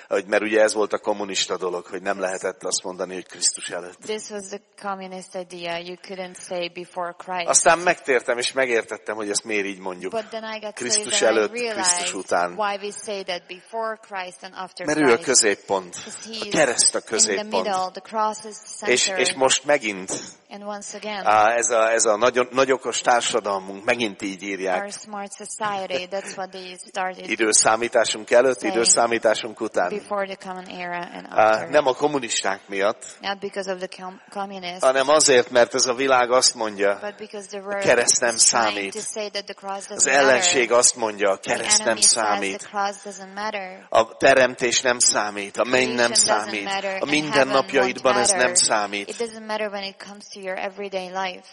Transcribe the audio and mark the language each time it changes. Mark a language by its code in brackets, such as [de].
[hu] Mert ugye ez volt a kommunista dolog, hogy nem lehetett azt mondani, hogy Krisztus előtt. [en] This was the communist idea. You couldn't say before Christ. [hu] Aztán megtértem és megértettem, hogy ezt miért így mondjuk. [en] But then I got [hu] Krisztus [en] saved, [hu] előtt, [en] I realized [hu] Krisztus után. [en] Why we say that before Christ and after [hu] Christ. Mert ő a középpont. A kereszt a középpont. [en] In the middle, the cross is the center. [hu] És most megint. [en] And once again. [hu] Ez a nagy okos társadalmunk megint így írják. [en] Our smart society, that's what they started. [hu] Időszámításunk előtt, időszámításunk számításunk után. [en] Before the common era and after. [hu] Nem a kommunisták miatt, [en] not because of the communists, [hu] hanem azért, mert ez a világ azt mondja, [en] but because the world, [hu] a kereszt nem számít. [en] Trying to say that the cross doesn't matter. [hu] Az ellenség azt mondja, a kereszt nem számít. [en] The enemy says the cross doesn't matter. [hu] A teremtés nem számít, a menny nem számít, a mindennapjaidban ez nem számít. [en] It doesn't matter when it comes to your everyday life.